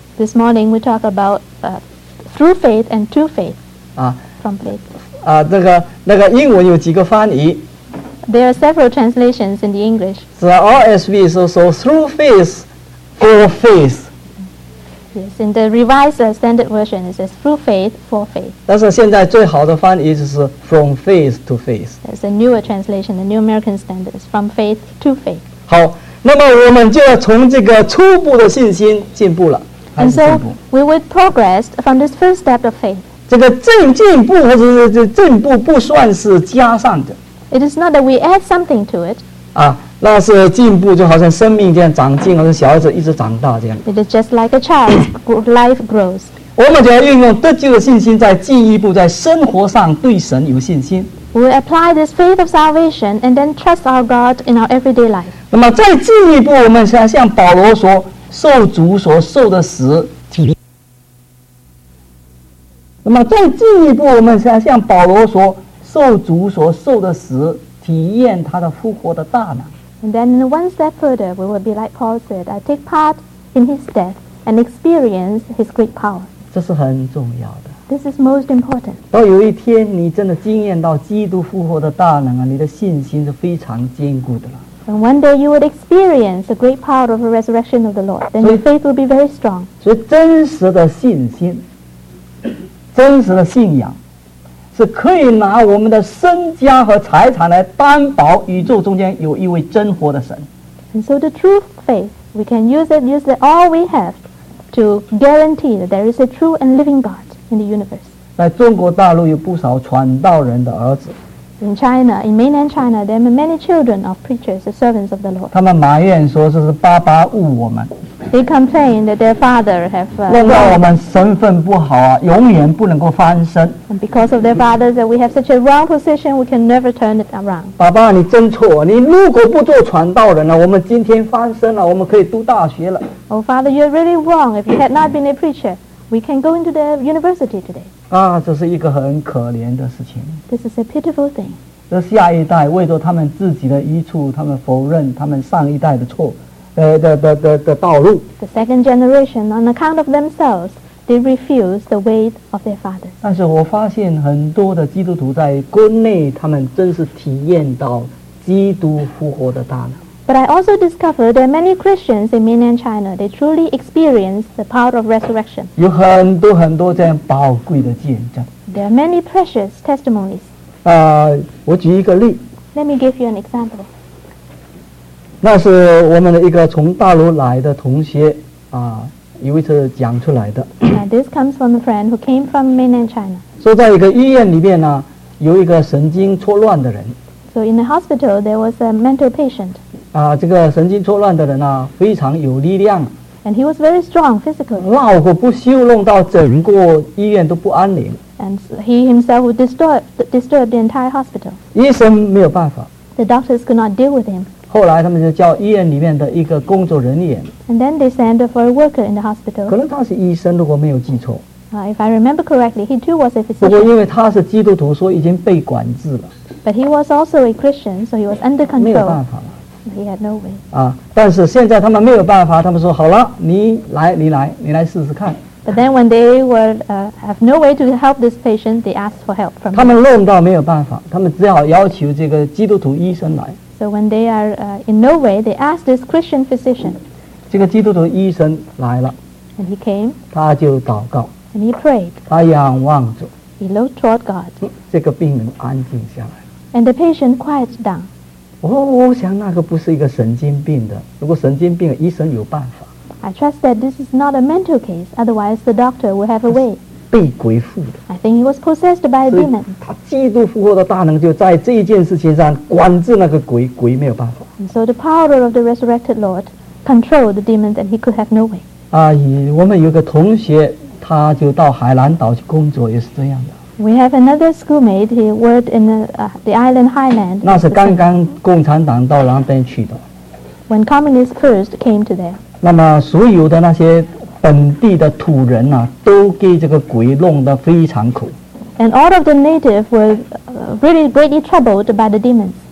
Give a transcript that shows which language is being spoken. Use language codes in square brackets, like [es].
[en] This morning we talk about through faith and to faith. 啊，from faith. [zh] 啊，那个英文有几个翻译 [en] ？There are several translations in the English. The RSV is also through faith for faith. Yes, in the Revised Standard Version, it says through faith for faith. [zh] 但是现在最好的翻译就是 [en] from faith to faith. That's a newer translation, the New American Standard, from faith to faith. [zh] 好，那么我们就要从这个初步的信心进步了，还是进步。 [en] And so we would progress from this first step of faith. [zh] 这个进步或者是进步不算是加上的。 [en] It is not that we add something to it. 啊。 [zh] 那是进步，就好像生命这样长进，好像小孩子一直长大这样。 [en] It is just like a child's life grows. [zh] 我们就要运用得救的信心，在进一步在生活上对神有信心。 [en] We apply this faith of salvation and then trust our God in our everyday life. [zh] 那么再进一步，我们想像保罗说，受主所受的死。那么再进一步，我们想像保罗说，受主所受的死，体验他的复活的大能。 [en] And then in one step further, we will be like Paul said, I take part in his death and experience his great power. [zh] 这是很重要的。 [en] This is most important. [zh] 到有一天你真的经验到基督复活的大能啊，你的信心是非常坚固的了。 [en] And one day you would experience the great power of the resurrection of the Lord, then your faith will be very strong. [zh] 所以真实的信心，真实的信仰，是可以拿我们的身家和财产来担保宇宙中间有一位真活的神。 [en] And so the true faith, we can use it all we have to guarantee that there is a true and living God in the universe. [zh] 在中国大陆有不少传道人的儿子。 [en] In China, in mainland China, there are many children of preachers, the servants of the Lord. [zh] 他们埋怨说这是爸爸误我们。 [en] They complain that their father have [zh] 弄到我们身份不好啊，永远不能够翻身。 [en] And because of their fathers, that we have such a wrong position, we can never turn it around. [zh] 爸爸，你真错！你如果不做传道人了，我们今天翻身了，我们可以读大学了。 [en] Oh, father, you're really wrong. If you had not been a preacher, we can go into the university today. [zh] 啊，这是一个很可怜的事情。 [en] This is a pitiful thing. [zh] 这下一代为着他们自己的益处，他们否认他们上一代的错，的道路。 [en] The second generation, on account of themselves, they refuse the way of their fathers. [zh] 但是我发现很多的基督徒在国内，他们真是体验到基督复活的大能。 [en] But I also discovered there are many Christians in mainland China. They truly experience the power of resurrection. [zh] 有很多很多这样宝贵的见证。 [en] There are many precious testimonies. [zh] 我举一个例。 [en] Let me give you an example. [zh] 那是我们的一个从大陆来的同学啊，一位是讲出来的。 [en] And this comes from a friend who came from mainland China. [zh] 说在一个医院里面呢，有一个神经错乱的人。 [en] So in the hospital, there was a mental patient. [zh] 啊，这个神经错乱的人啊，非常有力量。 [en] And he was very strong physically. [zh] 闹过不休，弄到整个医院都不安宁。 [en] And he himself would disturb the entire hospital. [zh] 医生没有办法。 [en] The doctors could not deal with him. [zh] 后来他们就叫医院里面的一个工作人员。 [en] And then they sent for a worker in the hospital. [zh] 可能他是医生，如果没有记错。 [en] If I remember correctly, he too was a physician. [zh] 不过因为他是基督徒，所以已经被管制了。 [en] But he was also a Christian, so he was under control. [zh] 没有办法了。 [en] He had no way. [zh] 啊，但是现在他们没有办法，他们说好了，你来试试看。 [en] But then when they were have no way to help this patient, they asked for help from. [zh] 他们弄到没有办法，他们只好要求这个基督徒医生来。 [en] So when they are in no way, they asked this Christian physician. [zh] 这个基督徒医生来了。 [en] And he came. [zh] 他就祷告。 [en] And he prayed. [zh] 他仰望着。 [en] He looked toward God. [zh] 这个病人安静下来。 [en] And the patient quiet down. [zh] 我想那个不是一个神经病的。如果神经病，医生有办法。 [en] I trust that this is not a mental case. Otherwise, the doctor will have a way. [zh] 被鬼附的。 [en] I think he was possessed by a demon. [zh] 他基督复活的大能就在这件事情上管制那个鬼，鬼没有办法。 [en] And so the power of the resurrected Lord controlled the demons, and he could have no way. [zh] 啊，我们有个同学，他就到海南岛去工作，也是这样的。 [en] We have another schoolmate. He worked in the island Highland. [zh] 那是刚刚共产党到那边去的。 [en] When communists first came to there. [zh] 那么所有的那些本地的土人啊，都给这个鬼弄得非常苦。 [en] And all of the natives were really greatly troubled by the demons.